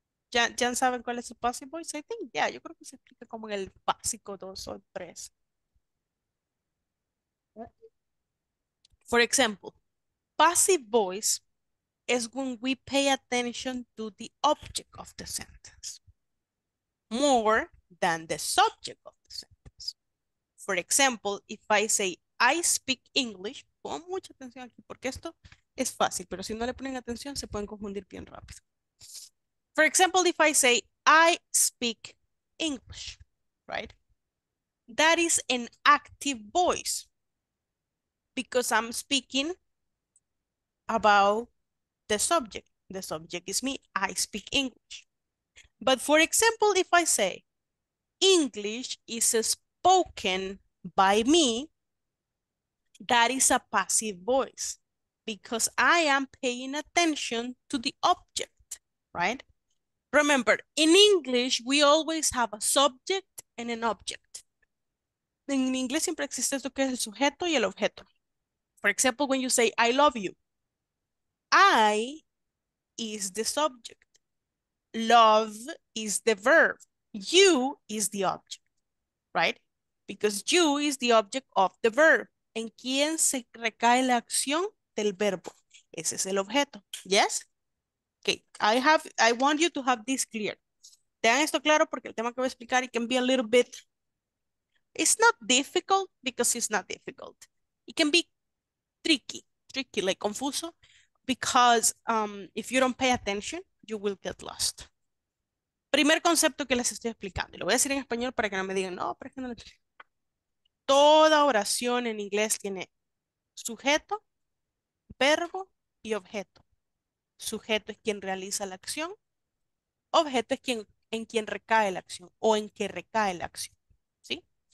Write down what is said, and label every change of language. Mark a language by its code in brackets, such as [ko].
[es] Ya saben cuál es el passive voice? [en] I think, yeah, [es] yo creo que se explica como en el básico dos o tres. [en] For example, passive voice is when we pay attention to the object of the sentence more than the subject of the sentence. For example, if I say, I speak English, [es] pon mucha atención aquí porque esto es fácil, pero si no le ponen atención, se pueden confundir bien rápido. [en] For example, if I say, I speak English, right? That is an active voice because I'm speaking about the subject, The subject is me. I speak English. But for example, if I say English is spoken by me, that is a passive voice because I am paying attention to the object, right? Remember, in English, we always have a subject and an object. [es] En inglés siempre existe lo que es el sujeto y el objeto. [en] For example, when you say, I love you, I is the subject. Love is the verb. You is the object, right? Because you is the object of the verb. [es] ¿En quién se recae la acción del verbo? Ese es el objeto. Yes? [en] Okay, I want you to have this clear. [es] Tengan esto claro porque el tema que voy a explicar, [en] it can be a little bit, it's not difficult because it's not difficult. It can be tricky, like confuso, because if you don't pay attention, you will get lost. [es] Primer concepto que les estoy explicando, y lo voy a decir en español para que no me digan, no, pero es que no lo explico. Toda oración en inglés tiene sujeto, verbo y objeto. Sujeto es quien realiza la acción. Objeto es quien, en quien recae la acción o en que recae la acción. ¿Sí?